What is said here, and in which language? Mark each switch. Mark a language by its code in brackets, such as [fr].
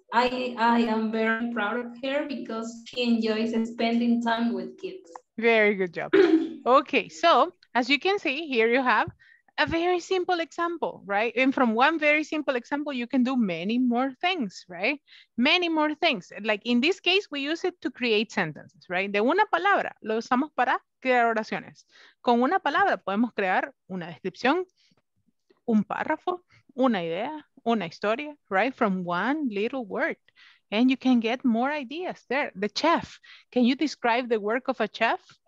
[en] I am very proud of her because she enjoys spending time with kids. Very good job. Okay, so as you can see, here you have a very simple example, right? And from one very simple example, you can do many more things, right? Many more things. Like in this case, we use it to create sentences, right? [es] De una palabra, lo usamos para crear oraciones. Con una palabra podemos crear una descripción, un párrafo, una idea, una historia, right? [en] From one little word. And you can get more ideas there. The chef, can you describe the work of a chef?